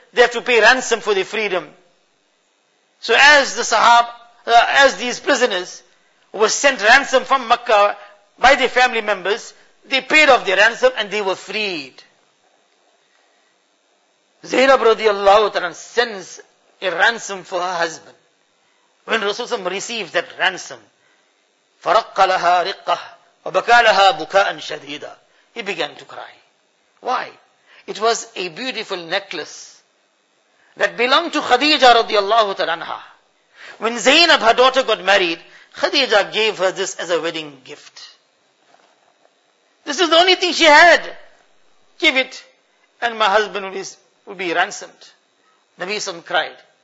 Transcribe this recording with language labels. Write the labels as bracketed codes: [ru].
[en] They have to pay ransom for their freedom. So as the these prisoners were sent ransom from Makkah by their family members, they paid off their ransom and they were freed. Zainab radiallahu ta'ala sends a ransom for her husband. When Rasulullah receives that ransom, [ar] فَرَقَّ لَهَا رِقَّةً وَبَكَى لَهَا بُكَاءً شَدِيدًا. [en] He began to cry. Why? It was a beautiful necklace that belonged to Khadija radiallahu ta'ala anha. When Zainab, her daughter, got married, Khadija gave her this as a wedding gift. This is the only thing she had. Give it, and my husband will be ransomed. Nabi Sam cried.